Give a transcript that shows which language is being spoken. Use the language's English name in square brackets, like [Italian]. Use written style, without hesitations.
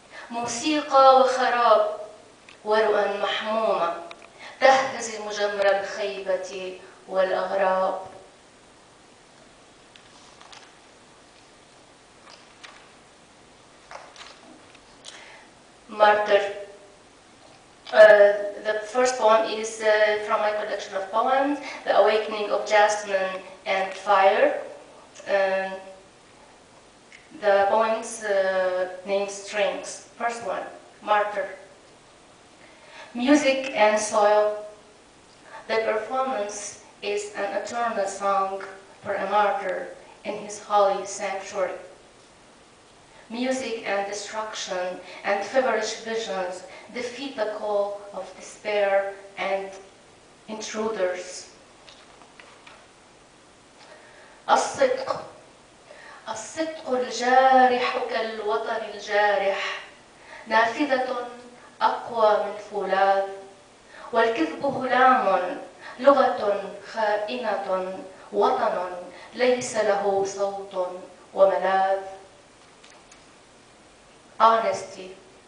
[Arabic] موسيقى وخراب ورؤى محمومة تهزم جمر الخيبة والأغراب Martyr. [English] The first poem is from my collection of poems, The Awakening of Jasmine and Fire. The poem's name strings. First one, Martyr. Music and soil. The performance is an eternal song for a martyr in his holy sanctuary. Music and destruction and feverish visions defeat the call of despair and intruders. [Arabic] الصدق الصدق الجارح كالوطن الجارح نافذة أقوى من فولاذ والكذب هلام لغة خائنة وطن ليس له صوت وملاذ Honesty.